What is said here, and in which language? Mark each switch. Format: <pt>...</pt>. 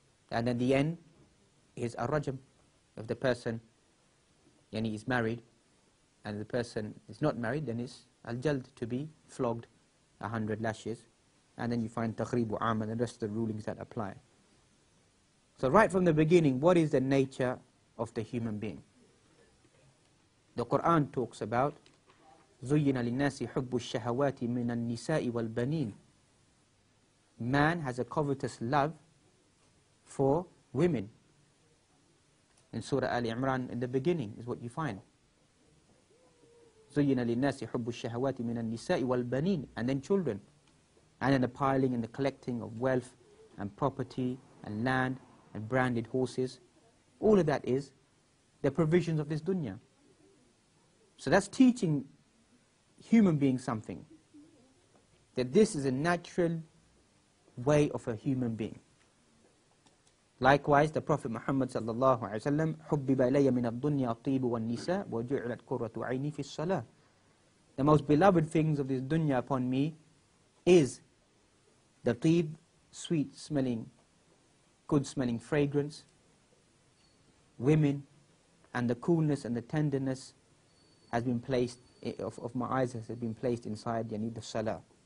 <en>And then the end is a rajam. If the person, yani, is married, and the person is not married, then it's al-jald, to be flogged 100 lashes. And then you find takhribu am and the rest of the rulings that apply. So right from the beginning, what is the nature of the human being? The Quran talks about</en> <ar>زُيِّنَ لِلنَّاسِ حُبُّ الشَّهَوَاتِ مِنَ النِّسَاءِ وَالْبَنِينَ.</ar> <en>Man has a covetous love for women. In Surah Ali Imran, in the beginning, is what you find.</en> <ar>زُيِّنَ لِلنَّاسِ حُبُّ الشَّهَوَاتِ مِنَ النِّسَاءِ وَالْبَنِينَ.</ar> <en>And then children. And then the piling and the collecting of wealth and property and land and branded horses. All of that is the provisions of this dunya. So that's teaching human beings something. That this is a natural way of a human being. Likewise, the Prophet Muhammad</en> <ar>sallallahu alaihi wasallam, حُبِّبَ إِلَيَّ مِنَ الدُّنْيَا الطِّيبُ وَالنِّسَاءُ وَجُعْلَتْ قُرَّةُ عَيْنِي فِي الصَّلَاةِ.</ar> <en>The most beloved things of this dunya upon me is the طيب, sweet smelling, good smelling fragrance, women, and the coolness and the tenderness has been placed of my eyes has been placed inside yani the salah.</en>